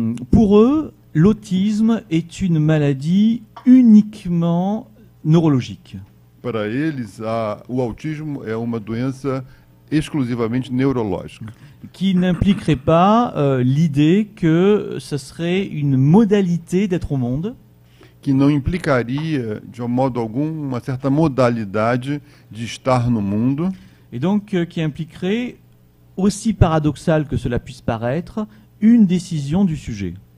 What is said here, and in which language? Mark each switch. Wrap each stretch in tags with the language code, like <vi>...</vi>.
<fr>Pour eux, l'autisme est une maladie uniquement neurologique.</fr> <pt>Para eles, o autismo é uma doença exclusivamente neurológica.</pt> <fr>Qui n'impliquerait pas l'idée que ce serait une modalité d'être au monde.</fr> <pt>Que não implicaria, de um modo algum, uma certa modalidade de estar no mundo.</pt> <fr>Et donc, qui impliquerait, aussi paradoxal que cela puisse paraître, une décision du sujet.</fr>